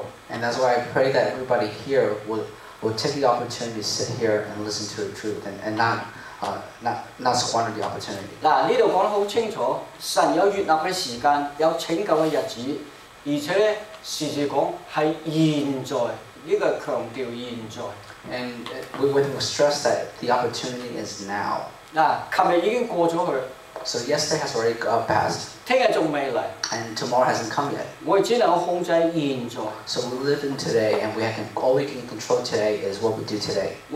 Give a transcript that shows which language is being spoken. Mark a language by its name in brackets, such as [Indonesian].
[English] And that's why I pray that everybody here will take the opportunity to sit here and listen to the truth, and not squander the opportunity. [Chinese] 这里讲得很清楚,神有悦纳的时间,有拯救的日子,而且时时讲是现在。这个强调现在。 [English] And we stress that the opportunity is now. [Chinese] 昨天已经过了。 [English] So yesterday has already passed. [Chinese] 明天还没来。 [English] And tomorrow hasn't come yet. [Chinese] 我们只能控制现在。 [English] So we live in today, and all we can control today is what we do today.